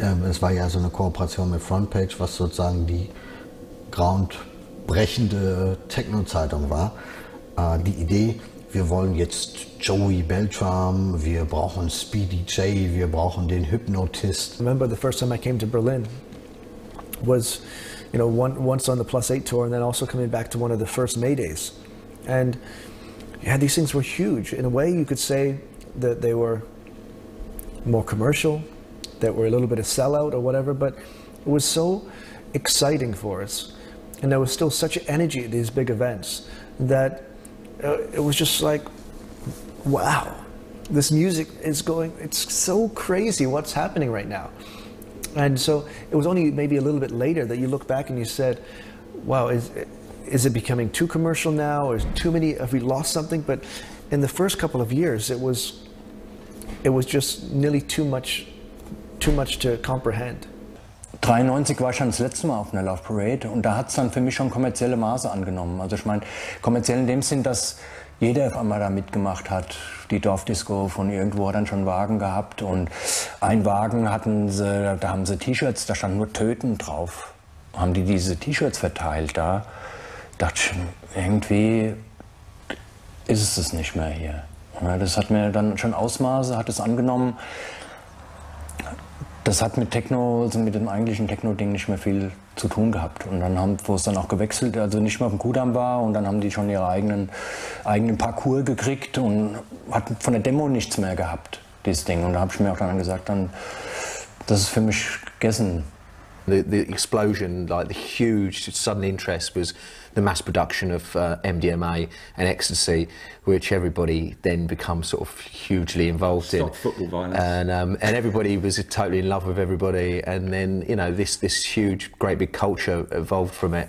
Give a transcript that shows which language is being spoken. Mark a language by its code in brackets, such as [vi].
[de] Es war ja so eine Kooperation mit Frontpage, was sozusagen die groundbrechende Techno-Zeitung war. Die Idee, wir wollen jetzt Joey Beltram, wir brauchen Speedy J, wir brauchen den Hypnotist. [en] I remember the first time I came to Berlin was, you know, once on the Plus 8 tour and then also coming back to one of the first Maydays. And yeah, these things were huge. In a way you could say that they were more commercial, that were a little bit of sellout or whatever, but it was so exciting for us. And there was still such energy at these big events that it was just like, wow, this music is going, it's so crazy what's happening right now. And so it was only maybe a little bit later that you look back and you said, wow, is it becoming too commercial now? Or is too many, have we lost something? But in the first couple of years, it was just nearly too much to comprehend. [de] 93 war schon das letzte Mal auf einer Love Parade und da hat es dann für mich schon kommerzielle Maße angenommen. Also ich meine, kommerziell in dem Sinn, dass jeder auf einmal da mitgemacht hat. Die Dorfdisco von irgendwo hat dann schon Wagen gehabt und ein Wagen hatten sie, da haben sie T-Shirts, da stand nur Töten drauf. Haben die diese T-Shirts verteilt da. Dachte ich, irgendwie ist es das nicht mehr hier. Ja, das hat mir dann schon Ausmaße, hat es angenommen. Das hat mit Techno, also mit dem eigentlichen Techno-Ding nicht mehr viel zu tun gehabt. Und dann haben, wo es dann auch gewechselt, also nicht mehr auf dem Kudamm war, und dann haben die schon ihre eigenen Parcours gekriegt und hat von der Demo nichts mehr gehabt, dieses Ding. Und da habe ich mir auch dann gesagt, dann, das ist für mich gegessen. [en] The explosion, like the huge sudden interest, was the mass production of MDMA and ecstasy, which everybody then becomes sort of hugely involved stop in. Football violence. And everybody was totally in love with everybody. And then, you know, this huge, great big culture evolved from it.